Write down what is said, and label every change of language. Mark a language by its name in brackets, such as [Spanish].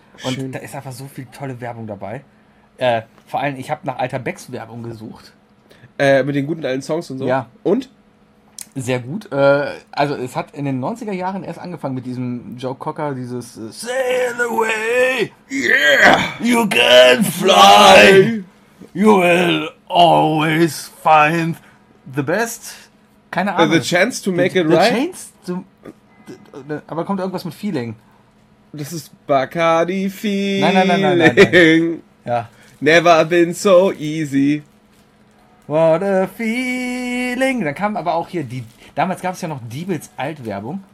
[German] Und schön. Da ist einfach so viel tolle Werbung dabei. Vor allem, ich habe nach alter Becks Werbung gesucht. Mit den guten alten Songs und so? Ja. Und? Sehr gut. Also es hat in den 90er Jahren erst angefangen mit diesem Joe Cocker, dieses [English] Sail away, yeah, you can fly, you will always find the best, [German] keine Ahnung. [English] The chance to make it the right? The chance to... [German] Aber kommt irgendwas mit Feeling. Das ist Bacardi Feeling. Nein. Ja. [English] Never been so easy. What a feeling. [German] Dann kam aber auch hier die... Damals gab es ja noch Diebels Altwerbung.